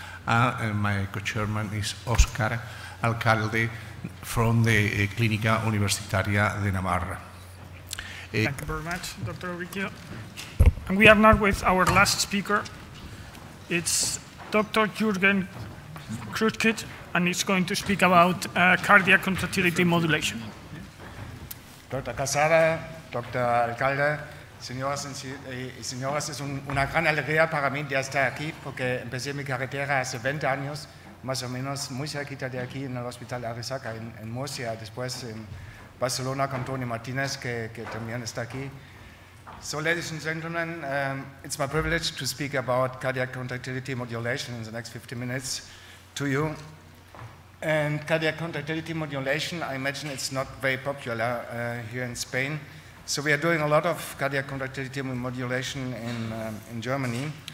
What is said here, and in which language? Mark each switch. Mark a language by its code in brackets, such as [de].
[en] And my co-chairman is Oscar Alcalde from the Clínica Universitaria de Navarra. Thank you very much, Dr. Ubiquio. And we are now with our last speaker. It's Dr. Jürgen Krutkit, and he's going to speak about cardiac contractility modulation. Dr. Casada, Dr. [es] Alcalde, señoras y señores, es una gran alegría para mí de estar aquí porque empecé mi carrera hace 20 años, más o menos muy cerquita de aquí en el Hospital Arizaca en Murcia, después en Barcelona con Tony Martínez, que también está aquí. [en] So, ladies and gentlemen, it's my privilege to speak about cardiac contractility modulation in the next 50 minutes to you. And cardiac contractility modulation, I imagine it's not very popular here in Spain. So we are doing a lot of cardiac contractility modulation in Germany.